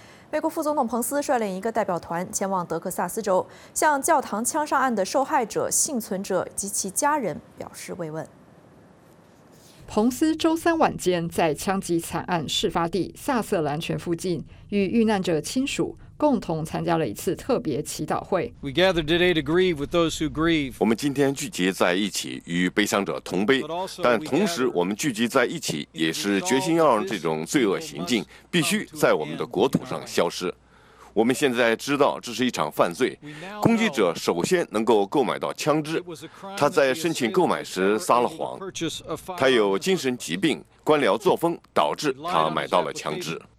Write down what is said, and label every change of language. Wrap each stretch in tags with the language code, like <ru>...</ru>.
<zh>美国副总统彭斯率领一个代表团前往德克萨斯州，向教堂枪杀案的受害者、幸存者及其家人表示慰问。彭斯周三晚间在枪击惨案事发地萨瑟兰泉附近与遇难者亲属共同参加了一次特别祈祷会。</zh> <en>We gather today to grieve with those who grieve.</en> <zh>我们今天聚集在一起与悲伤者同悲，但同时我们聚集在一起也是决心要让这种罪恶行径必须在我们的国土上消失。我们现在知道这是一场犯罪，攻击者首先能够购买到枪支，他在申请购买时撒了谎，他有精神疾病，官僚作风导致他买到了枪支。</zh>